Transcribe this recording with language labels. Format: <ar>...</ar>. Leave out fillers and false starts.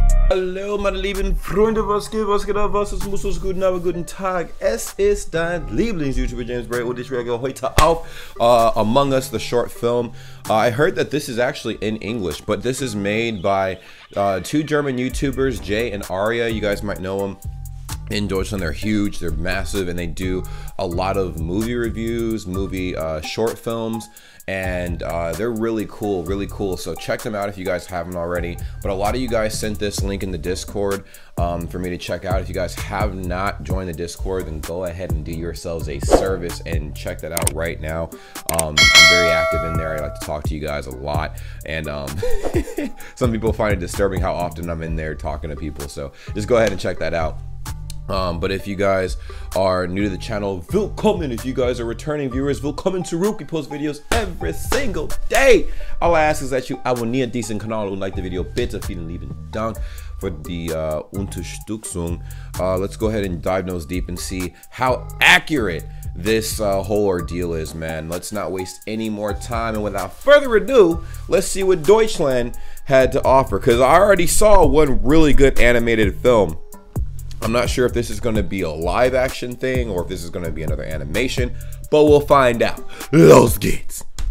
<de>Hallo meine lieben Freunde, was geht ab, es muss uns guten Abend, guten Tag. Es ist dein Lieblings-YouTuber James Bray und ich reagiere heute auf Among Us, the short film.</de> <en>I heard that this is actually in English, but this is made by two German YouTubers, Jay and Aria. You guys might know them in Deutschland. They're huge, they're massive, and they do a lot of movie reviews, short films. And they're really cool, really cool. So check them out if you guys haven't already. But a lot of you guys sent this link in the Discord for me to check out. If you guys have not joined the Discord, then go ahead and do yourselves a service and check that out right now. I'm very active in there. I like to talk to you guys a lot. And some people find it disturbing how often I'm in there talking to people. So just go ahead and check that out. But if you guys are new to the channel, willkommen. If you guys are returning viewers,</en> <de>willkommen zurück.</de> <en>We post videos every single day. All I ask is that you</en> <de>abonniere diesen Kanal und</de> <en>like the video.</en> <de>Bitte vielen lieben Dank für die Unterstützung.</de> <en>Let's go ahead and dive nose deep and see how accurate this whole ordeal is, man. Let's not waste any more time. And without further ado, let's see what Deutschland had to offer. Because I already saw one really good animated film. I'm not sure if this is going to be a live action thing or if this is going to be another animation, but we'll find out.</en> <de>Los geht's.</de>